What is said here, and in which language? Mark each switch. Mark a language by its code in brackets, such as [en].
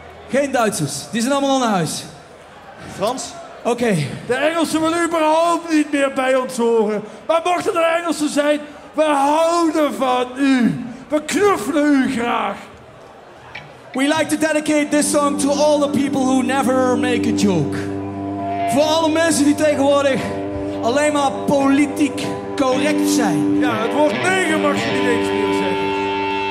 [nl] Geen Duitsers, die zijn allemaal al naar huis. Frans? Oké. Okay. De Engelsen willen überhaupt niet meer bij ons horen. Maar mochten er Engelsen zijn, we houden van u. We knuffelen u graag. [en] We like to dedicate this song to all the people who never make a joke. [nl] Voor alle mensen die tegenwoordig alleen maar politiek correct zijn. Ja, het woord neger mag je niet eens meer zeggen.